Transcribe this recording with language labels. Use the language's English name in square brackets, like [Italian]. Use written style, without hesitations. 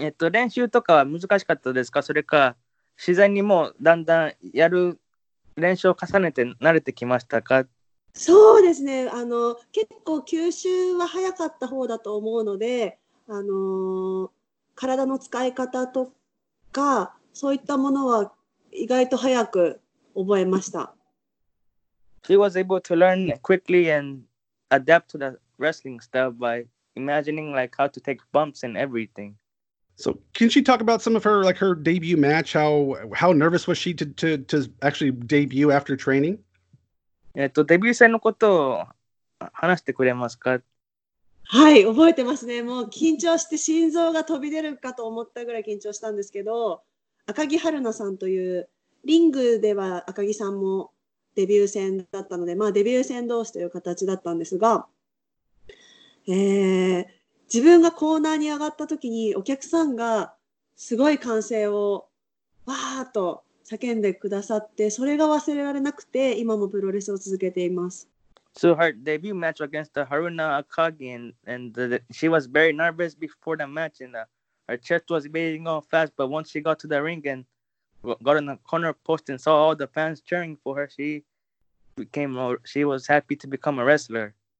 [Japanese] 練習とかは難しかったですか？それか自然にもうだんだんやる練習を重ねて慣れてきましたか？そうですね、あの結構吸収は早かった方だと思うので、あの体の使い方とかそういったものは意外と早く覚えました。 [English] She was able to learn quickly and adapt to the wrestling style by imagining like how to take bumps and everything. So can she talk about some of her like her debut match, how nervous was she to actually debut after training? [Japanese] デビュー戦のことを話してくれますか？はい、覚えてますね。もう緊張して心臓が飛び出るかと思ったぐらい緊張したんですけど、赤木春奈さんというリングでは赤木さんもデビュー戦だったので、まあデビュー戦同士という形だったんですが、自分がコーナーに上がった時にお客さんがすごい歓声をわーっと叫んでくださって、それが忘れられなくて、今もプロレスを続けています。 [English] So her debut match against Haruna Akagi, she was very nervous before the match, and her chest was beating all fast, but once she got to the ring and got on the corner post and saw all the fans cheering for her, she was happy to become a wrestler.